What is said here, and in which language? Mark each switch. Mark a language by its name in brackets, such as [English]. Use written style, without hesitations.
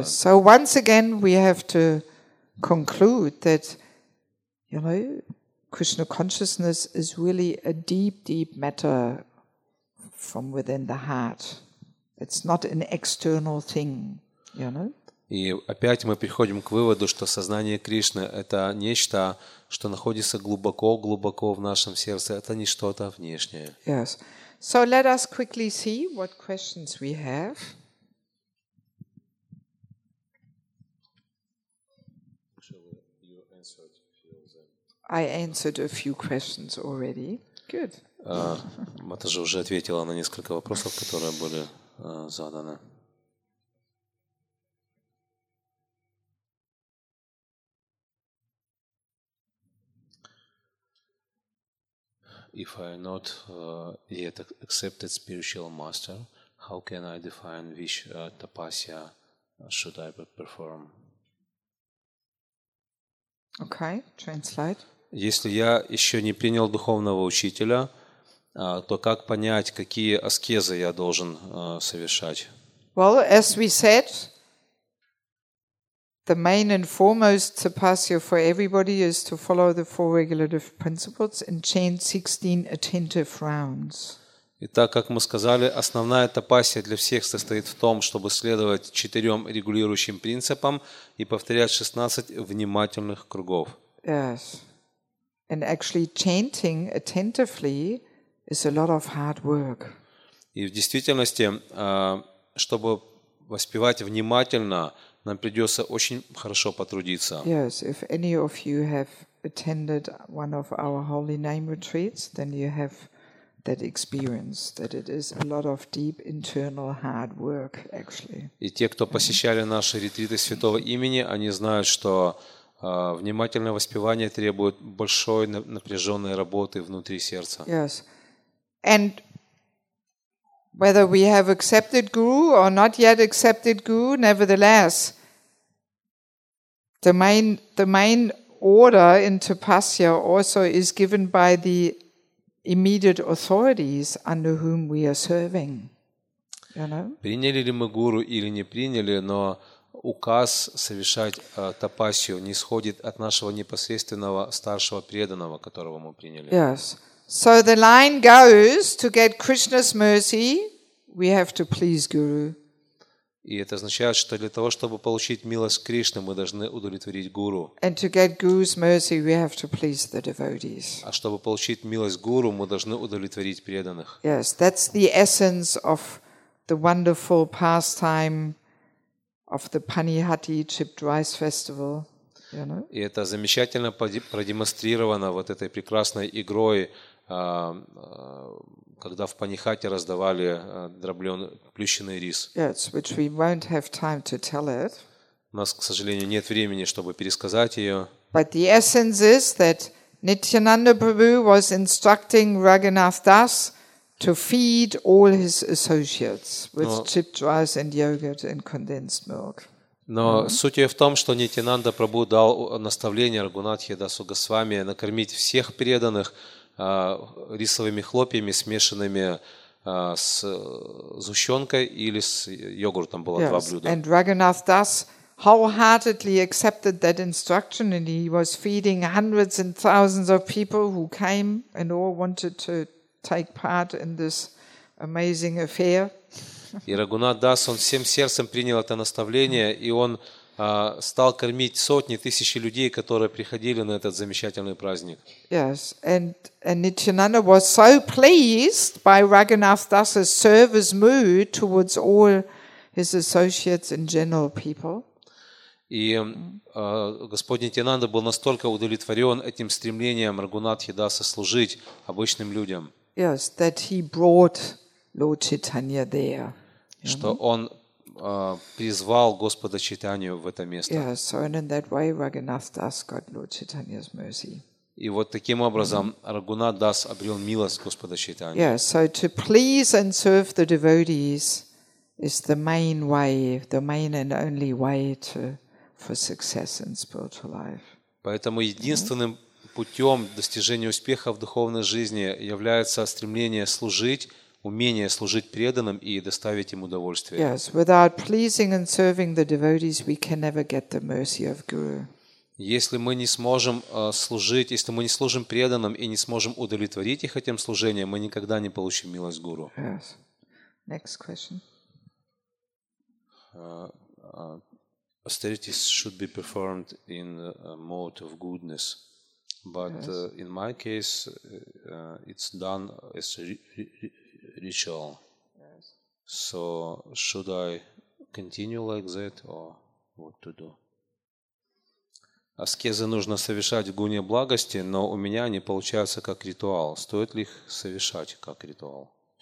[English] Yes, so once again we have to conclude that, you know, Krishna consciousness is really a deep, deep matter from within the heart. It's not an external thing, you know. [Russian] И опять мы приходим к выводу, что сознание Кришны — это нечто, что находится глубоко-глубоко в нашем сердце. Это не что-то внешнее. [English] Yes. So let us quickly see what questions we have. I answered a few questions already. Good. [Russian] Матажа уже ответила на несколько вопросов, которые были заданы. [English] If I not yet accepted spiritual master, how can I define which tapasya should I perform? Okay, translate. [Russian] Если я еще не принял духовного учителя, то как понять, какие аскезы я должен совершать? [English] Well, as we said, the main and foremost tapasya for everybody is to follow the four regulative principles and chant 16 attentive rounds. [Russian] И так, как мы сказали, основная тапасья для всех состоит в том, чтобы следовать четырем регулирующим принципам и повторять 16 внимательных кругов. [English] Yes. And actually chanting attentively is a lot of hard work. [Russian] И в действительности, чтобы воспевать внимательно, нам придется очень хорошо потрудиться. [English] Yes, if any of you have attended one of our holy name retreats, then you have that experience that it is a lot of deep internal hard work actually. [Russian] И те, кто посещали наши ретриты Святого Имени, они знают, что внимательное воспевание требует большой напряженной работы внутри сердца. [English] Yes. And whether we have accepted guru or not yet accepted guru, nevertheless the main order in tapasya also is given by the immediate authorities under whom we are serving. You know? [Russian] Приняли ли мы гуру или не приняли, но указ совершать тапасию нисходит от нашего непосредственного старшего преданного, которого мы приняли. [English] Yes. So the line goes, to get Krishna's mercy, we have to please guru. [Russian] И это означает, что для того, чтобы получить милость Кришны, мы должны удовлетворить гуру. [English] And to get guru's mercy, we have to please the devotees. [Russian] А чтобы получить милость гуру, мы должны удовлетворить преданных. [English] Yes, that's the essence of the wonderful pastime of the Panihati Chip Rice Festival. You know? [Russian] И это замечательно продемонстрировано вот этой прекрасной игрой, когда в Панихате раздавали дроблёный плющеный рис. [English] Yes, which we won't have time to tell it. [Russian] У нас, к сожалению, нет времени, чтобы пересказать её. [English] But the essence is that Nityananda Prabhu was instructing Raghunath Das to feed all his associates with chipped rice and yogurt and condensed milk. [Russian] Но суть ее в том, что Нитьянанда Прабху дал наставление Рагхунатхе Дасу Госвами накормить всех преданных рисовыми хлопьями, смешанными с сгущенкой или с йогуртом, было два блюда. [English] And Raghunath Das wholeheartedly accepted that instruction, and he was feeding hundreds and thousands of people who came and all wanted to take part in this amazing affair. [Russian] И Рагхунат Дас, он всем сердцем принял это наставление, и он стал кормить сотни, тысячи людей, которые приходили на этот замечательный праздник. [English] Yes, and Nityananda was so pleased by Raghunath Das's service mood towards all his associates and general people. [Russian] И Господь Нитьянанда был настолько удовлетворен этим стремлением Рагхунатхи Даса служить обычным людям. [English] Yes, that he brought Lord Chaitanya there. [Russian] Что он призвал Господа Чайтанью в это место. [English] Yeah, so in that way Raghunath Das got Lord Chaitanya's mercy. [Russian] И вот таким образом Рагхунат Дас обрел милость Господа Чайтанья. [English] Yeah, so to please and serve the devotees is the main way, the main and only way to for success in spiritual life. [Russian] Поэтому единственным путем достижения успеха в духовной жизни является стремление служить, умение служить преданным и доставить им удовольствие. [English] Yes, without pleasing and serving the devotees, we can never get the mercy of guru. [Russian] Если мы не сможем служить, если мы не служим преданным и не сможем удовлетворить их этим служением, мы никогда не получим милость гуру. [English] Yes. Next question. Austerities should be performed in a mode of goodness. But yes. In my case, it's done as ritual. Yes. So should I continue like that or what to do? [Russian] Аскезы нужно совершать в гуне благости, но у меня они получаются как ритуал. Стоит ли их совершать как ритуал?